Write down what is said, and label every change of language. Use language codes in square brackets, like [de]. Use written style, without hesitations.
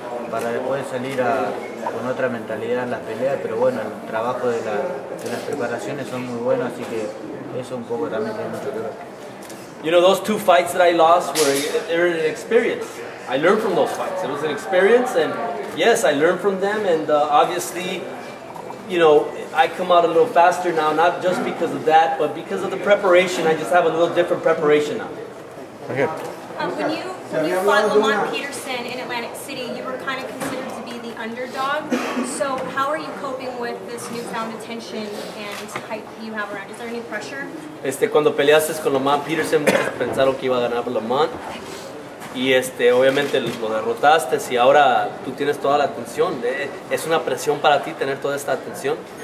[es] para después salir con otra mentalidad en las peleas, pero bueno, el trabajo de las preparaciones son muy buenos, así que eso un poco también tiene mucho que ver. [en] You know, those two fights that I lost were an experience. I learned from those fights. It was an experience, and yes, I learned from them, and obviously, you know, I come out a little faster now, not just because of that, but because of the preparation. I just have a little different preparation now. Okay. When you fought Lamont Peterson in Atlantic City, you were kind of considered to be the underdog. So how are you coping with this newfound attention and hype you have around? Is there any pressure? [es] Cuando peleaste con Lamont Peterson, muchos pensaron que iba a ganar Lamont. Y obviamente lo derrotaste y ahora tú tienes toda la atención. ¿Es una presión para ti tener toda esta atención?